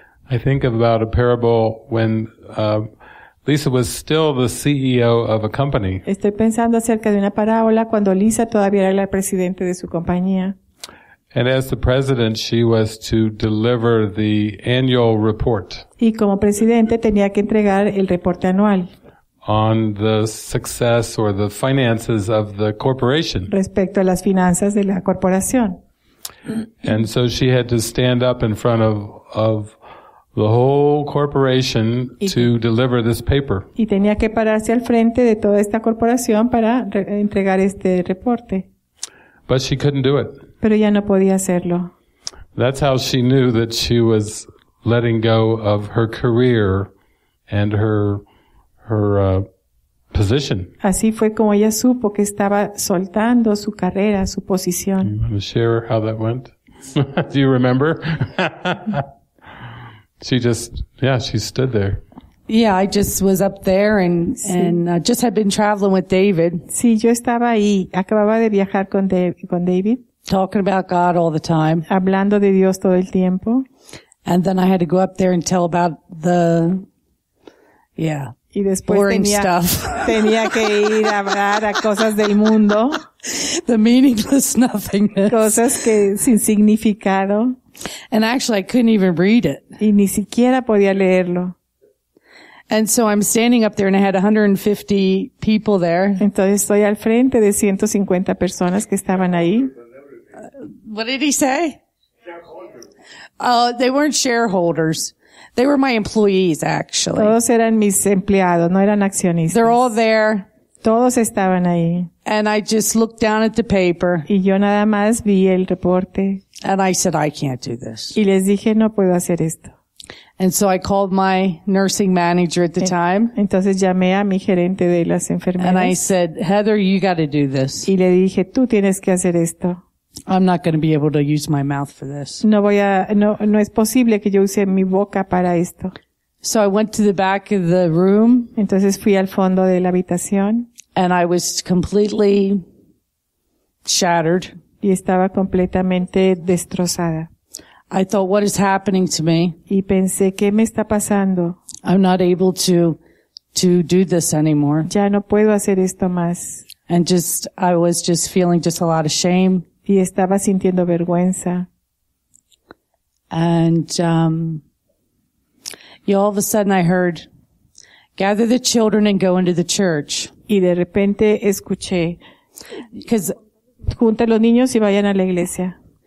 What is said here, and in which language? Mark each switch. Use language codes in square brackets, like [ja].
[en] I think of about a parable when Lisa was still the CEO of a company. [es] Estoy pensando acerca de una parábola cuando Lisa todavía era la presidente de su compañía. [en] And as the president, she was to deliver the annual report. [es] Y como presidente tenía que entregar el reporte anual. [en] On the success or the finances of the corporation. [es] Respecto a las finanzas de la corporación. [en] And so she had to stand up in front of the whole corporation to deliver this paper. [es] Y tenía que pararse al frente de toda esta corporación para entregar este reporte. [en] But she couldn't do it. [es] Pero ella no podía hacerlo. [en] That's how she knew that she was letting go of her career and her position. [es] Así fue como ella supo que estaba soltando su carrera, su posición. [en] You want to share how that went? Do you remember? She stood there. Yeah, I just was up there and just had been traveling with David. [es] Sí, yo estaba ahí. Acababa de viajar con David. [en] Talking about God all the time. [es] Hablando de Dios todo el tiempo. [en] And then I had to go up there and tell about the, yeah. [es] Y después [en] boring [es] tenía, [en] stuff. [es] Tenía que ir a hablar a cosas del mundo. [en] the meaningless nothingness. [es] Cosas que sin significado. [en] And actually, I couldn't even read it. [es] Y ni siquiera podía leerlo. [en] And so I'm standing up there, and I had 150 people there. [es] Entonces estoy al frente de 150 personas que estaban ahí. [en] What did he say? Shareholders. They weren't shareholders. They were my employees, actually. [es] Todos eran mis empleados, no eran accionistas. [en] They're all there. [es] Todos estaban ahí. [en] And I just looked down at the paper. [es] Y yo nada más vi el reporte. [en] And I said, I can't do this. [es] Y les dije, no puedo hacer esto. [en] And so I called my nursing manager at the time. [es] Entonces llamé a mi gerente de las enfermeras. [en] And I said, Heather, you got to do this. [es] Y le dije, tú tienes que hacer esto. [en] I'm not going to be able to use my mouth for this. [es] No voy a, no es posible que yo use mi boca para esto. [en] So I went to the back of the room. [es] Entonces fui al fondo de la habitación. [en] And I was completely shattered. [es] Y estaba completamente destrozada. [en] I thought, what is happening to me? [es] Y pensé, ¿qué me está pasando? [en] I'm not able to do this anymore. [es] Ya no puedo hacer esto más. [en] And just, I was just feeling just a lot of shame. [es] Y estaba sintiendo vergüenza. [en] And all of a sudden I heard, gather the children and go into the church. [es] Y de repente escuché, junta los niños y vayan a la iglesia.